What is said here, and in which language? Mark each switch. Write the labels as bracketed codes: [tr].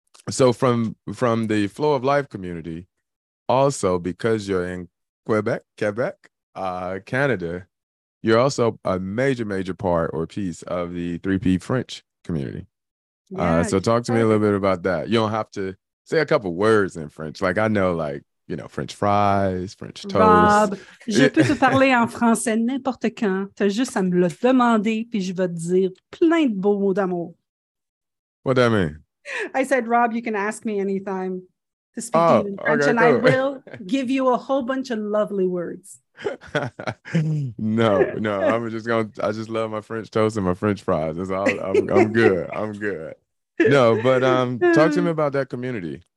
[en] So from the Flow of Life community, also because you're in Quebec, Canada, you're also a major part or piece of the 3P French community. Yeah, so talk to me a little bit about that. You don't have to say a couple words in French. Like I know, like, you know, French fries, French toast. [fr] Rob, je peux te parler en français n'importe quand. T'as juste à me le demander, puis je vais te dire plein de beaux mots d'amour. [en] What do I mean? I said, Rob, you can ask me anytime to speak to you in French, okay, cool. And I will give you a whole bunch of lovely words. No, I'm just gonna, I just love my French toast and my French fries. That's all. I'm good. No, but talk to me about that community.